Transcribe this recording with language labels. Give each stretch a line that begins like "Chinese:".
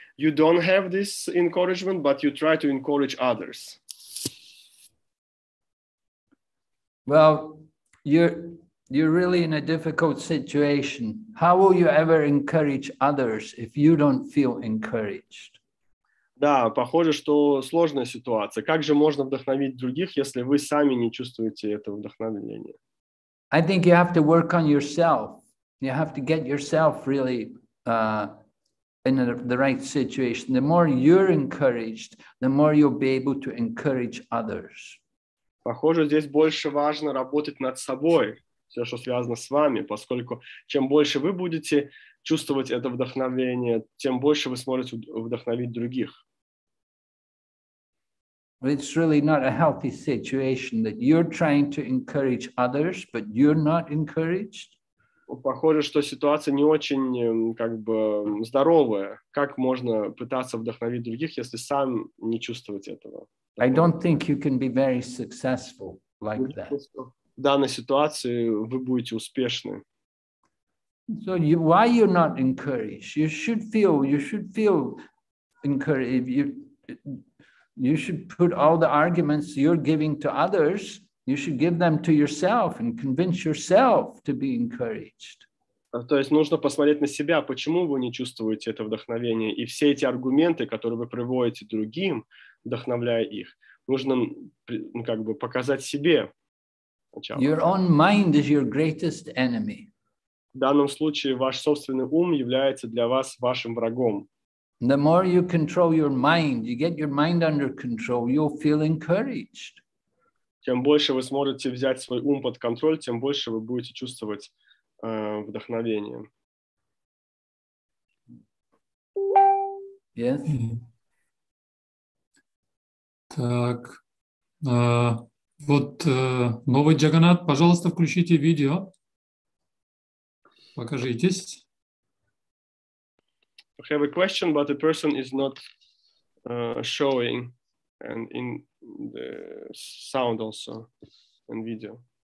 English: You don't have this encouragement, but you try to encourage others. Well, You're really in a difficult situation. How will you ever encourage others if you don't feel encouraged?
Russian: Да, похоже, что сложная ситуация. Как же можно вдохновить других, если вы сами не чувствуете этого вдохновения?
English: I think you have to work on yourself. You have to get yourself really in the right situation. The more you're encouraged, the more you'll be able to encourage others.
Russian: Похоже, здесь больше важно работать над собой, все, что связано с вами, поскольку чем больше вы будете чувствовать это вдохновение, тем больше вы сможете вдохновить других.
English: It's really not a healthy situation that you're trying to encourage others, but you're not encouraged.
Russian: Похоже, что ситуация не очень, как бы, здоровая. Как можно пытаться вдохновить других, если сам не чувствовать этого?
English: I don't think you can be very successful like that.
Russian: В данной ситуации вы будете успешны.
English: So you, why you're not encouraged? You should feel encouraged. You should put all the arguments you're giving to others, you should give them to yourself and convince yourself to be encouraged.
Russian: То есть нужно посмотреть на себя, почему вы не чувствуете это вдохновение, и все эти аргументы, которые вы приводите другим, вдохновляя их, нужно, ну, как бы, показать себе. Сначала.
English: Your own mind is your greatest enemy.
Russian: В данном случае ваш собственный ум является для вас вашим врагом.
English: The more you control your mind, you get your mind under control, you'll feel encouraged.
Russian: Чем больше вы сможете взять свой ум под контроль, тем больше вы будете чувствовать вдохновение.
English: Yes. Mm-hmm.
Russian: Так, вот новый Джаганат, пожалуйста, включите видео, покажитесь.
English: I have a question, but the person is not showing, and in the sound also, and video.